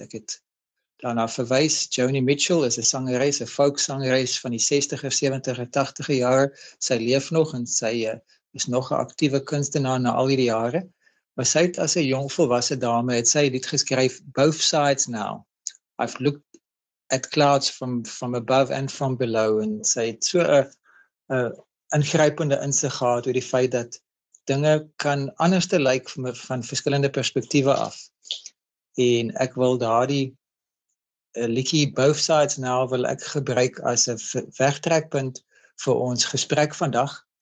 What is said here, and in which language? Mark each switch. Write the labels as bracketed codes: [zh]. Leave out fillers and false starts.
[af] Ek het daarna verwys, Joni Mitchell is 'n sangeres, 'n folksangeres van die 60er, 70er, 80er jare. Sy leef nog en sy is nog 'n aktiewe kunstenaar na al die jare. Maar sy het as 'n jong volwasse dame, het sy lied geskryf, Both Sides Now. [en] I've looked at clouds from above and from below. [af] En sy het so 'n ingrypende insig gehad oor die feit dat dinge kan anders te lyk van verskillende perspektiewe af. En ek wil daardie liedjie Both Sides Now wil ek gebruik as 'n wegtrekpunt vir ons gesprek vandag.